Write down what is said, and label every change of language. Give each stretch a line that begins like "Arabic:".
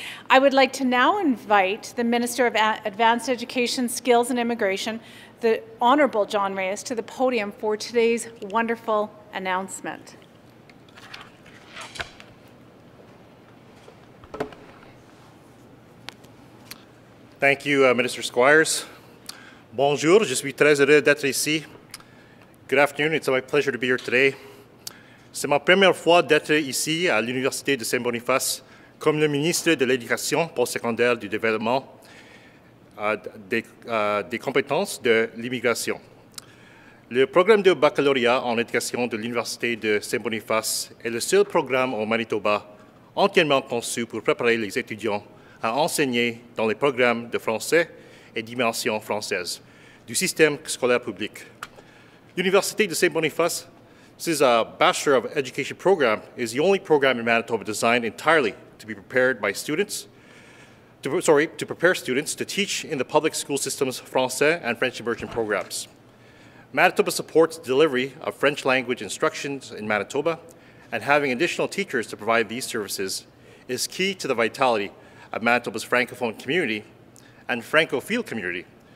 English: I would like to now invite the Minister of Advanced Education, Skills and Immigration, the Honourable Jon Reyes, to the podium for today's wonderful announcement. Thank you, Minister Squires.
French: Bonjour, je suis très heureux d'être ici.
English: Good afternoon, it's my pleasure to be here today.
French: C'est ma première fois d'être ici à l'Université de Saint-Boniface comme le ministre de l'Éducation postsecondaire du Développement des compétences de l'immigration. Le programme de baccalauréat en éducation de l'Université de Saint-Boniface est le seul programme au Manitoba entièrement conçu pour préparer les étudiants à enseigner dans les programmes de français et d'immersion française du système scolaire public.
English: L'Université de Saint-Boniface, this is a Bachelor of Education program, is the only program in Manitoba designed entirely to be prepared by students to prepare students to teach in the public school systems Francais and French immersion programs. Manitoba supports delivery of French language instructions in Manitoba, and having additional teachers to provide these services is key to the vitality of Manitoba's francophone community and francophile community.